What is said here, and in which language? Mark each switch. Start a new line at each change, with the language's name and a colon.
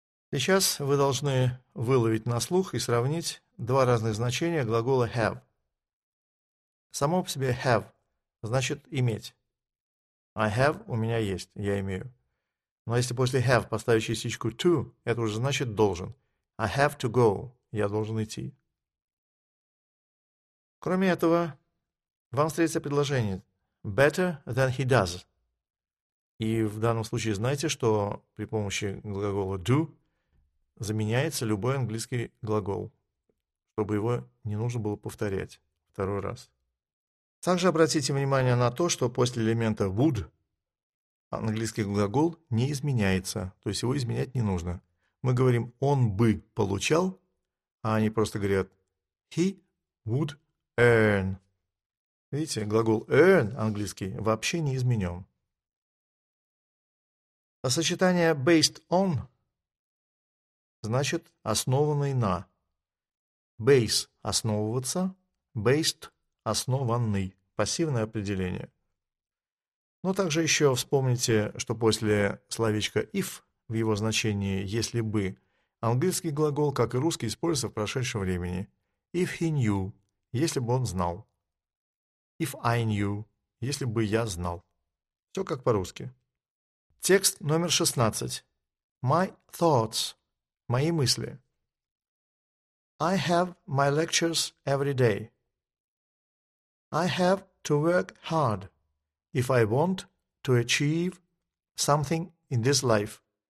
Russian: Сейчас вы должны выловить на слух и сравнить два разных значения глагола have. Само по себе have значит иметь.
English: I have
Russian: – у меня есть, я имею. Но если после have поставить частичку to, это уже значит должен.
English: I have to go
Russian: – я должен идти. Кроме этого, вам встретится предложение
English: better than he does.
Russian: И в данном случае знайте, что при помощи глагола do заменяется любой английский глагол, чтобы его не нужно было повторять второй раз. Также обратите внимание на то, что после элемента would английский глагол не изменяется, то есть его изменять не нужно. Мы говорим «он бы получал», а они просто говорят
English: «he would earn».
Russian: Видите, глагол earn английский вообще не изменен. А сочетание
English: «based on»
Russian: значит «основанный на». «Base» – «основываться», «based» – «основанный». Пассивное определение. Но также еще вспомните, что после словечка if в его значении «если бы» английский глагол, как и русский, используется в прошедшем времени.
English: If he knew
Russian: – если бы он знал.
English: If I knew
Russian: – если бы я знал. Все как по-русски. Текст номер 16.
English: My thoughts –
Russian: мои мысли.
English: I have my lectures every day. I have to work hard if I want to achieve something in this life.